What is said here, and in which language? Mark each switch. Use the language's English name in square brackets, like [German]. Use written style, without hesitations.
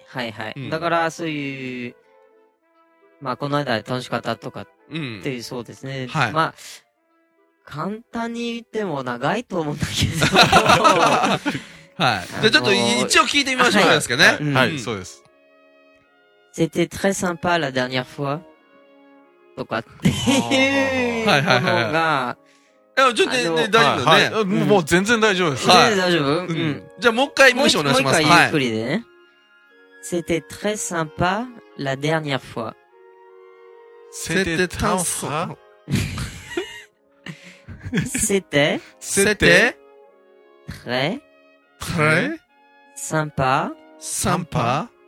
[Japanese] はいはい。うん、だから、そういう、まあ、この間楽しかったとかっていう、そうですね、うん。はい。まあ、簡単に言っても長いと思うんだけど。はい。じゃあ、ちょっと一応聞いてみましょうですけどね、はいはいはい。はい、そうです。 [French] c'était très sympa la dernière fois? [Japanese] とかっていう。はいはいはい。ものが、いや、全然大丈夫だね、はいはい。もう全然大丈夫です。全然大丈夫、はい、うん。じゃあもう一回、もう一回お願いします。もう一回ゆっくりでね。 [French] c'était très sympa la dernière fois. c'était très sympa. c'était. c'était. très. très. sympa. sympa.